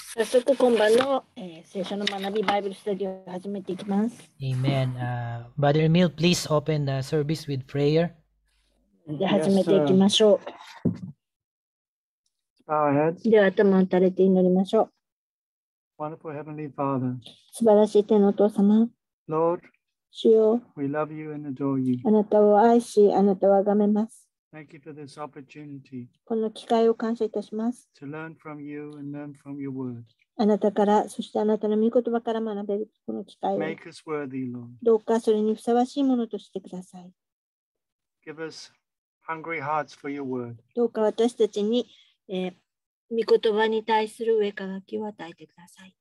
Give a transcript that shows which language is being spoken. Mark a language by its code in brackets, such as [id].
[ja] 早速今晩の、聖書の学びバイブルスタディを始めていきます。 [en] Amen. Brother Emil, please open the service with prayer. [ja] で始めていきましょう。では頭を垂れて祈りましょう。 [en] Wonderful Heavenly Father. [ja] 素晴らしい天のお父様。 [en] Lord. [ja] 主よ。 [en] We love you and adore you. [ja] あなたを愛し、あなたを崇めます。 [en] Thank you for this opportunity. [ja] この機会を感謝いたします。 [en] To learn from you and learn from your word. [ja] あなたから、そしてあなたの御言葉から学べるこの機会を。 [en] Make us worthy, Lord. [ja] どうかそれにふさわしいものとしてください。 [en] Give us hungry hearts for your word. [ja] どうか私たちに、御言葉に対する上書きを与えてください。